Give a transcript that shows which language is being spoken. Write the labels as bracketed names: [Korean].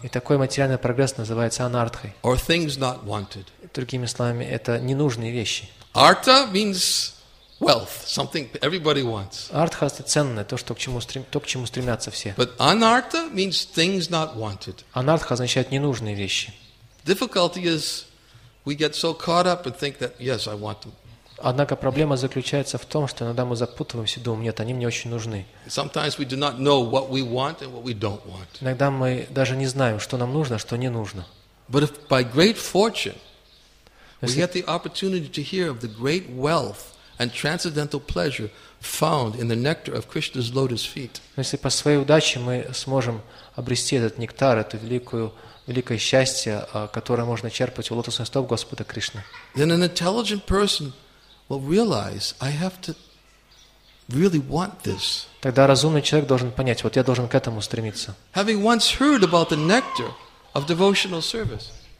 [Russian] И такой материальный прогресс называется анартхой. [English] Or things not wanted. [Russian] Другими словами, это ненужные вещи. [English] Artha means wealth, something everybody wants. [Russian] Артха — это ценное, то, к чему стремятся все. [English] But anartha means things not wanted. [Russian] Анартха означает ненужные вещи. [English] Difficulty is we get so caught up and think that yes, I want them. [Russian] Однако проблема заключается в том, что иногда мы запутываемся и думаем: нет, они мне очень нужны. [English] Sometimes we do not know what we want and what we don't want. [Russian] Иногда мы даже не знаем, что нам нужно, что не нужно. [English] But if by great fortune we get the opportunity to hear of the great wealth and transcendental pleasure found in the nectar of Krishna's lotus feet. [Russian] Если по своей удаче мы сможем обрести этот нектар, это великое счастье, которое можно черпать у лотосных стоп Господа Кришны. [English] Then an intelligent person will realize I have to really want this. [Russian] Тогда разумный человек должен понять: вот я должен к этому стремиться. [English] Having once heard about the nectar of devotional service.